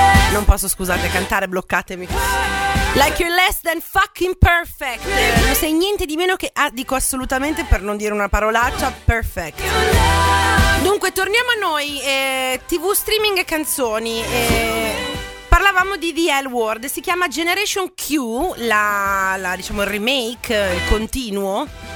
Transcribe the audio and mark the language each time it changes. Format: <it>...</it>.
<it>Non posso, scusate, cantare, bloccatemi.</it> <en>Like you're less than fucking perfect.</en> <it>Non sei niente di meno che, dico assolutamente per non dire una parolaccia,</it> <en>perfect.</en> <it>Dunque, torniamo a noi, TV, streaming e canzoni. Parlavamo di The L Word, si chiama Generation Q, diciamo il remake, il continuo.</it>